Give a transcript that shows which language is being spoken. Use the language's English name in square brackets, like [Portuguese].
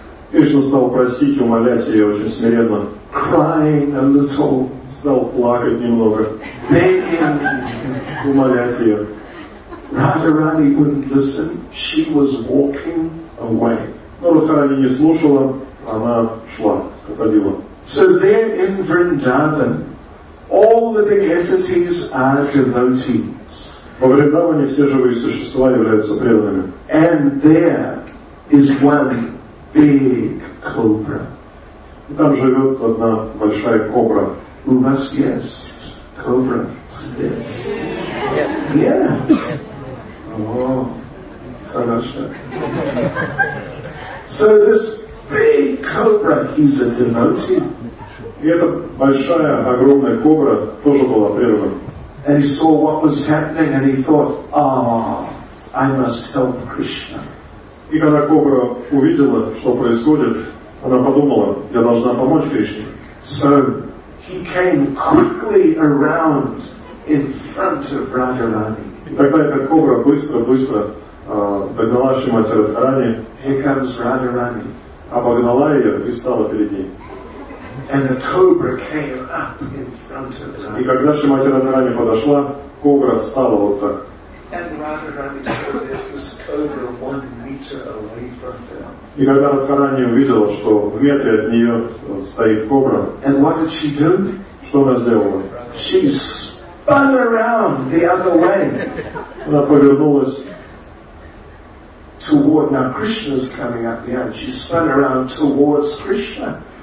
[Russian] Кришна стал просить, умолять ее очень смиренно. [English] Crying a little. [Russian] Стал плакать немного. [English] Begging. [Russian] Умолять ее. [English] Radharani wouldn't listen. She was walking away. [Russian] Но Радхарани не слушала. Она шла, уходила. [English] So there in Vrindavan, all living entities are devotees. [Russian] Во Вриндаване все живые существа являются преданными. [English] And there is one big cobra. [Russian] И там живет одна большая кобра. У вас есть кобра? [English] Yes. Yeah. Oh, [Russian] хорошо. [English] So this big cobra, he's a devotee. [Russian] И эта большая, огромная кобра тоже была предана. [English] And he saw what was happening and he thought, ah, I must help Krishna. [Russian] И когда кобра увидела, что происходит, она подумала, я должна помочь Кришне. [English] So he came quickly around in front of Radharani. [Russian] И тогда эта кобра быстро-быстро догнала Шримати Радхарани. [English] Here comes Radharani. [Russian] Обогнала ее и стала перед ней. [English] And the cobra came up in front of Radharani. [Russian] И когда Шримати Радхарани подошла, кобра встала вот так. [English] And Radharani saw this cobra 1 meter away from them. [Russian] И когда Радхарани увидела, что в метре от нее стоит кобра, [English] and what did she do? [Russian] Что она сделала? [English] She spun around the other way. [Russian] Она повернулась [English] toward, now Krishna's coming up the end. She spun around towards Krishna.